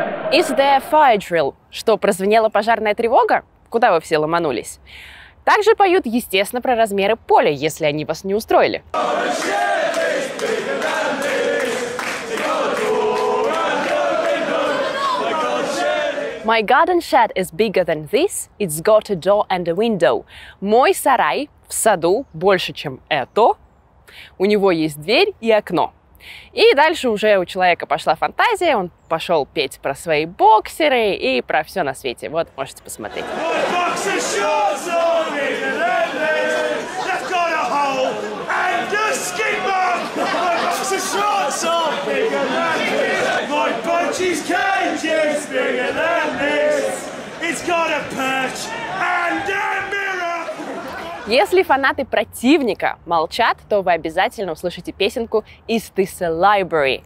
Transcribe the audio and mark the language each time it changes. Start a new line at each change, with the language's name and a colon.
English: Is there a fire drill?
Russian: Что, прозвенела пожарная тревога? Куда вы все ломанулись? Также поют, естественно, про размеры поля, если они вас не устроили.
English: My garden shed is bigger than this. It's got a door and a window.
Russian: Мой сарай в саду больше, чем это. У него есть дверь и окно. И дальше уже у человека пошла фантазия, он пошел петь про свои боксеры и про все на свете. Вот, можете посмотреть. Если фанаты противника молчат, то вы обязательно услышите песенку
English: «Is this a library?»